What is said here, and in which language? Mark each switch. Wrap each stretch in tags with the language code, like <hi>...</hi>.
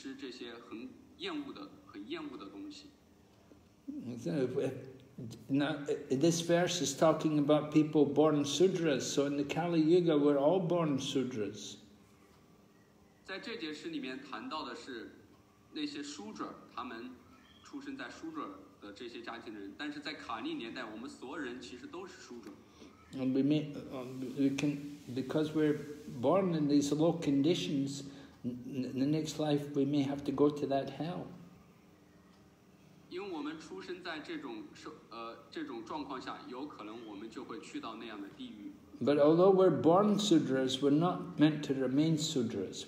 <zh>这些人他们也有可能会被投入到地狱去吃这些很厌恶的东西。</zh> <en>So now this verse is talking about people born sudras. So in the Kali Yuga, we're all born sudras.</en> <zh>在这节诗里面谈到的是那些书者，他们出生在书者的这些家庭的人，但是在卡利年代，我们所有人其实都是书者。</zh> <en>And we can, because we're born in these low conditions, in the next life we may have to go to that hell.</en> <zh>因为我们出生在这种状况下，有可能我们就会去到那样的地狱。</zh> <en>But although we're born sudras, we're not meant to remain sudras.</en>